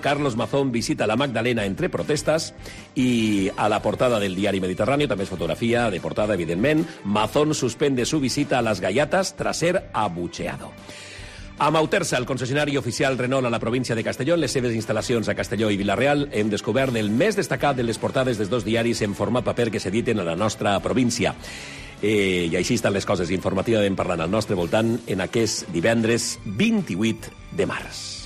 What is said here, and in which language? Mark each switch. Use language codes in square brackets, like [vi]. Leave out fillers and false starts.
[es] Carlos Mazón visita la Magdalena entre protestas. [ca] I a la portada del diari Mediterráneo, també és fotografia de portada, evidentment. [es] Mazón suspende su visita a las gallatas tras ser abucheado. [ca] A Mauterza, el concessionari oficial Renault a la província de Castellón, les seves instal·lacions a Castelló i Vila-real, hem descobert el més destacat de les portades dels dos diaris en format paper que s'editen a la nostra província. I així estan les coses informatives en parlant al nostre voltant en aquest divendres 28 de març.